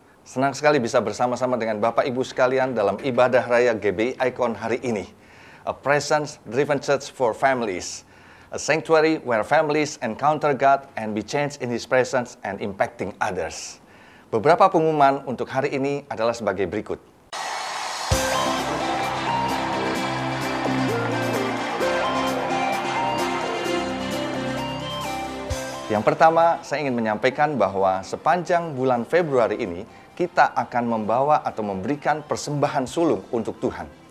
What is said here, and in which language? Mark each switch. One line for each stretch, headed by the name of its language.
Indonesian: Senang sekali bisa bersama-sama dengan Bapak Ibu sekalian dalam ibadah raya GBI Icon hari ini.
English: A presence driven church for families. A sanctuary where families encounter God and be changed in His presence and impacting others.
Indonesian: Beberapa pengumuman untuk hari ini adalah sebagai berikut. Yang pertama, saya ingin menyampaikan bahwa sepanjang bulan Februari ini, kita akan membawa atau memberikan persembahan sulung untuk Tuhan.